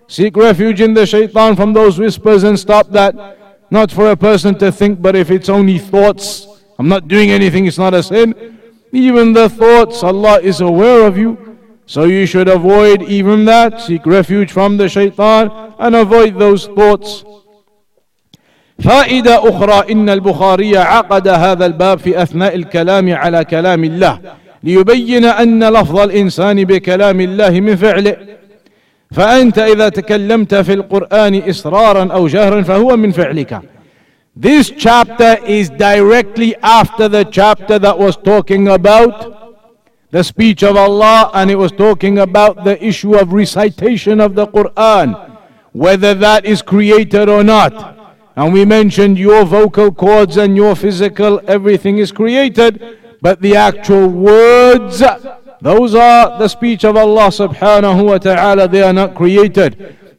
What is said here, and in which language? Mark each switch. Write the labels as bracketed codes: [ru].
[en] Seek refuge in the shaitan from those whispers and stop that. Not for a person to think, but if it's only thoughts, I'm not doing anything, it's not a sin. Even the thoughts, Allah is aware of you. So you should avoid even that. Seek refuge from the shaitan and avoid those thoughts. [ar] فائدة أخرى إن البخاري عقد هذا الباب في أثناء الكلام على كلام الله ليبين أن لفظ الإنسان بكلام الله من فعله فأنت إذا تكلمت في القرآن إصرارا أو جهرا فهو من فعلك. [en] This chapter is directly after the chapter that was talking about the speech of Allah, and it was talking about the issue of recitation of the Quran, whether that is created or not. And we mentioned your vocal cords and your physical, everything is created, but the actual words, those are the speech of Allah subhanahu wa ta'ala, they are not created.